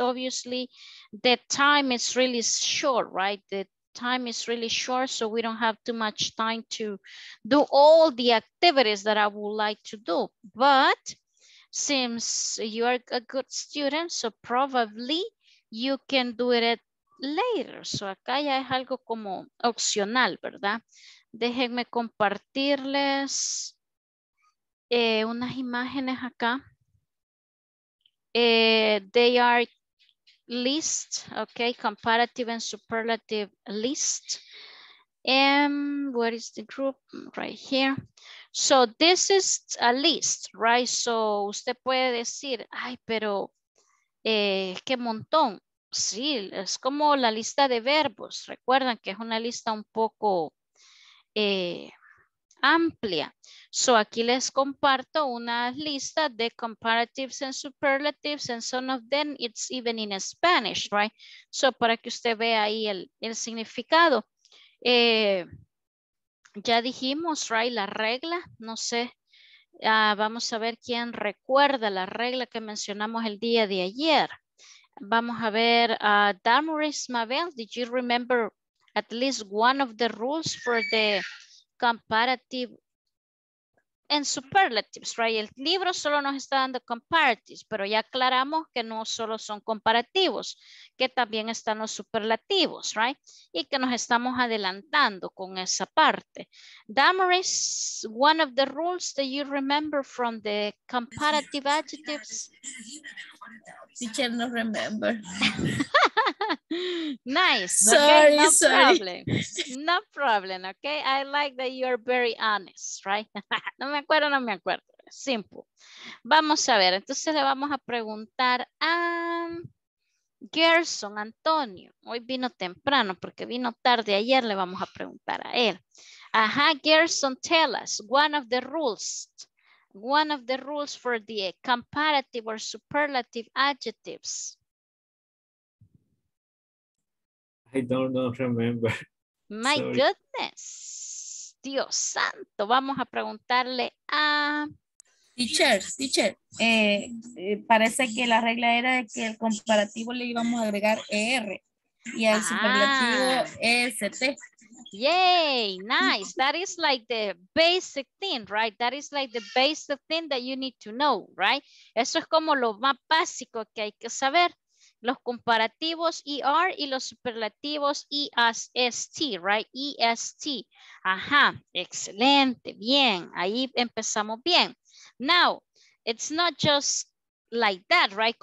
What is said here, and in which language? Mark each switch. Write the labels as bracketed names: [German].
[English] Obviously, the time is really short, right? The time is really short, so we don't have too much time to do all the activities that I would like to do, but since you are a good student, so probably you can do it later. [Spanish] So acá ya es algo como opcional, ¿verdad? Déjenme compartirles unas imágenes acá. [English] They are list, okay, comparative and superlative list. And what is the group right here? So this is a list, right? [Spanish] So usted puede decir, ay, pero qué montón. Sí, es como la lista de verbos. Recuerdan que es una lista un poco amplia. So aquí les comparto una lista de [English] comparatives and superlatives, and some of them it's even in Spanish, right? [Spanish] So para que usted vea ahí el significado. Ya dijimos, right, la regla, no sé, vamos a ver quién recuerda la regla que mencionamos el día de ayer. Vamos a ver, [English] Damaris Mabel, did you remember at least one of the rules for the comparative and superlatives, right? [Spanish] El libro solo nos está dando comparatives, pero ya aclaramos que no solo son comparativos, que también están los superlativos, right? Y que nos estamos adelantando con esa parte. [English] Damaris, one of the rules that you remember from the comparative adjectives? Teacher, no remember. Nice. Sorry, okay, no sorry. Problem. No problem, okay? I like that you are very honest, right? [Spanish] No me acuerdo, no me acuerdo. Simple. Vamos a ver, entonces le vamos a preguntar a Gerson Antonio. Hoy vino temprano porque vino tarde ayer, le vamos a preguntar a él. [English] Ajá, Gerson, tell us one of the rules. One of the rules for the comparative or superlative adjectives. I don't remember. My sorry. Goodness. [Spanish] Dios santo. Vamos a preguntarle a Teacher, parece que la regla era de que el comparativo le íbamos a agregar ER y al superlativo EST. [English] Yay, nice. That is like the basic thing, right? That is like the basic thing that you need to know, right? [Spanish] Eso es como lo más básico que hay que saber. Los comparativos ER y los superlativos ESST, right? EST. Ajá, excelente, bien. Ahí empezamos bien. [English] Now, it's not just like that, right?